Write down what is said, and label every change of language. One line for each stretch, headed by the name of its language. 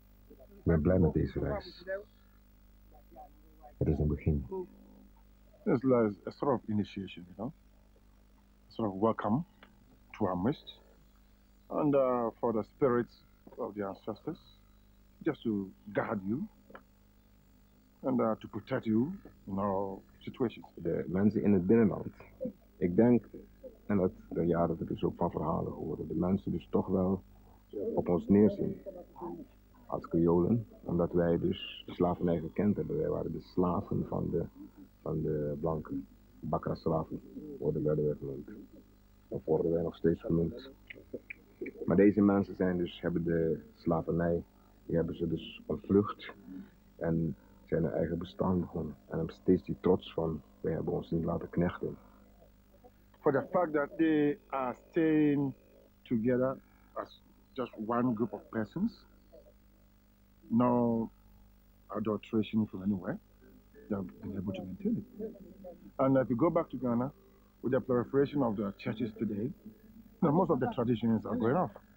Dutch: ik ben blij met deze reis. Het is een begin.
English: It's like a sort of initiation, you know, a sort of welcome to our midst, and for the spirits of the ancestors, just to guard you and to protect you in all situations.
Dutch: De mensen in het binnenland, ik denk, en dat de jaren dat ik zo van verhalen hoorde, de mensen dus toch wel op ons neerzien als Creolen, omdat wij dus de slavernij gekend hebben. Wij waren de slaven van de blanke bakkerslaven worden werden wij genoemd. Of worden wij nog steeds genoemd. Maar deze mensen zijn dus, hebben de slavernij, die hebben ze dus ontvlucht en zijn hun eigen bestaan begonnen. En hebben steeds die trots van, wij hebben ons niet laten knechten.
English: For the fact that they are staying together as just one group of persons, no adulteration from anywhere. They've been able to maintain it. And if you go back to Ghana, with the proliferation of the churches today, most of the traditions are going off.